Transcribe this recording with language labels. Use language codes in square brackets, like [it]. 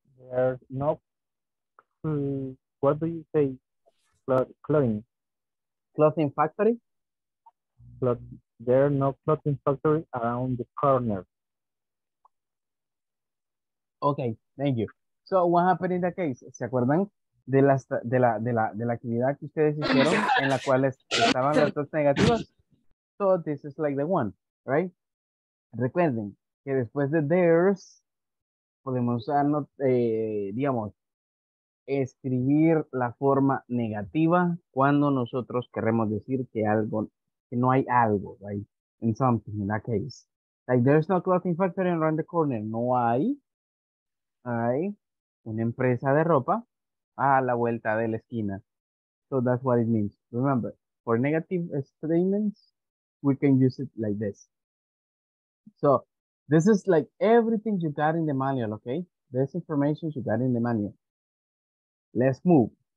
[en] There's no, what do you say, clothing? Clothing factory? There are no clothing factory around the corner. Okay, thank you. So what happened in the case? [es] ¿Se acuerdan de la actividad que ustedes hicieron en la cual estaban las dos negativas? [en] So this is like the one, right? [es] Recuerden que después de there's podemos usar, digamos, escribir la forma negativa cuando nosotros queremos decir que algo, que no hay algo, right? [en] In something, in that case. Like there's no clothing factory around the corner. [es] No hay. Hay una empresa de ropa a la vuelta de la esquina. [en] So that's what it means. Remember, for negative statements, we can use it like this. So this is like everything you got in the manual, okay? This information you got in the manual. Let's move.